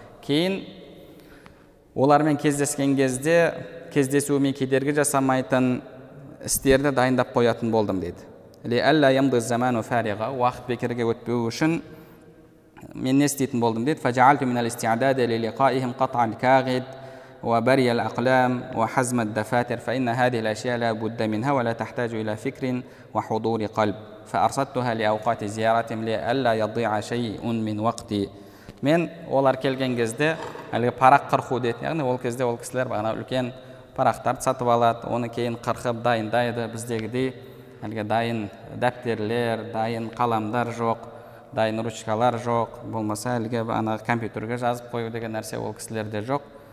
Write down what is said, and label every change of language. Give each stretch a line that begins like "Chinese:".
Kazakh: Кейін олармен кездескен кезде кездесуіме кедергі жасамайтын істерді дайындап қоятын болдым дейді.
Arabic: لئلا يمضي الزمان فارغا.
Kazakh: Уақыт бекерге өтпеу үшін мен не істейтін болдым дейді.
Arabic: فجعلت من الاستعداد للقائهم قطعا كاغد وبري الأقلام وحزم الدفاتر فإن هذه الأشياء لا بد منها ولا تحتاج إلى فكر وحضور قلب فأرصدتها لأوقات زيارتهم لألا يضيع شيء من وقتي.
Kazakh: من олар келген кезде әлгі парақ қырқу дейді, яғни ол кезде ол кісілер бағана үлкен парақтарды сатып алады, оны кейін қырқып дайындайды. Біздегідей әлгі дайын дәптерлер, дайын қаламдар жоқ, дайын ручкалар жоқ, болмаса әлгі бағанағы компьютерге жазып қою деген нәрсе ол кісілерде жоқ.